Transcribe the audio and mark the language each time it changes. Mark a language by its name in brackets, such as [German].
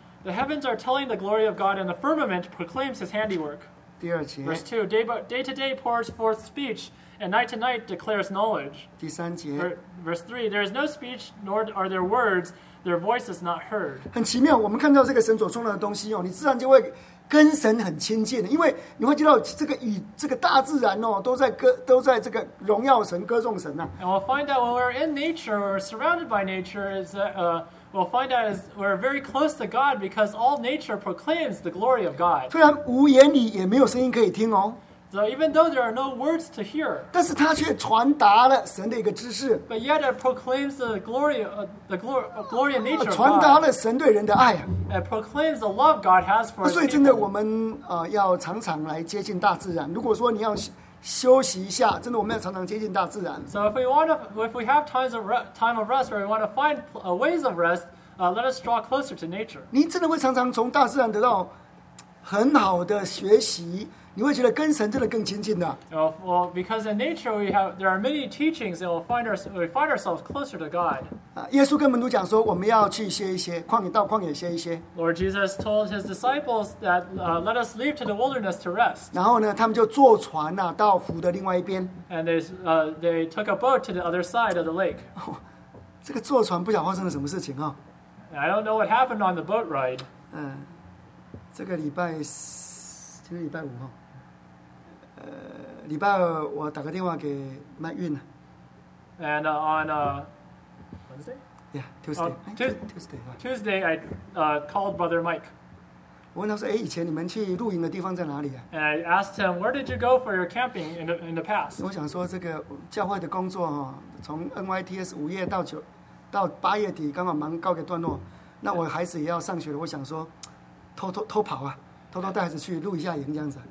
[English] The heavens are telling the glory of God, and the firmament proclaims his handiwork. [Chinese] 第二节 [English] Verse 2, day to day pours forth speech, and night to night declares knowledge. [Chinese] 第三节 [English] Verse 3, there is no speech, nor are there words, their voice is not heard. [Chinese] 很奇妙，我们看到这个神所创造的东西、哦、你自然就会跟神很亲近，因为你会知道这个与这个大自然、哦、都在这个荣耀神、歌颂神、啊、 [English] And we'll find that when we're in nature, we're surrounded by nature, is that We'll find out as we're very close to God because all nature proclaims the glory of God. [Chinese] 虽然无言语也没有声音可以听哦。 [English] So even though there are no words to hear, [Chinese] 但是它却传达了神的一个知识。 [English] But yet it proclaims the glory of nature. [Chinese] 传达了神对人的爱。 [English] It proclaims the love God has for us. [Chinese] 所以真的，我们要常常来接近大自然。如果说你要休息一下，真的，我们要常常接近大自然。 [English] So if we want to, if we have time of rest, or we want to find ways of rest, let us draw closer to nature. [Chinese] 你真的会常常从大自然得到很好的学习，你会觉得跟神真的更亲近的。 [English] Well, because in nature we have there are many teachings that we find ourselves closer to God. [Chinese] 耶稣跟门徒讲说，我们要去歇一歇，旷野到旷野歇一歇。 [English] Lord Jesus told his disciples that let us leave to the wilderness to rest. [Chinese] 然后呢，他们就坐船呐、啊、到湖的另外一边。 [English] And they took a boat to the other side of the lake. [Chinese] 这个坐船不晓得发生了什么事情啊、哦。 [English] I don't know what happened on the boat ride. [Chinese] 这个礼拜今天礼拜五哈、哦。礼拜二我打个电话给麦运了。 [English] And on Wednesday? Yeah, Tuesday. Tuesday, I called Brother Mike. [Chinese] 我问他说，以前你们去露营的地方在哪里啊？ [English] And I asked him, where did you go for your camping in the past? [Chinese] 我想说这个教会的工作哈、哦，从 NYTS 五月到九到八月底刚好忙告个段落，那我孩子也要上学了，我想说偷跑啊。偷偷带孩子去露一下营这样子。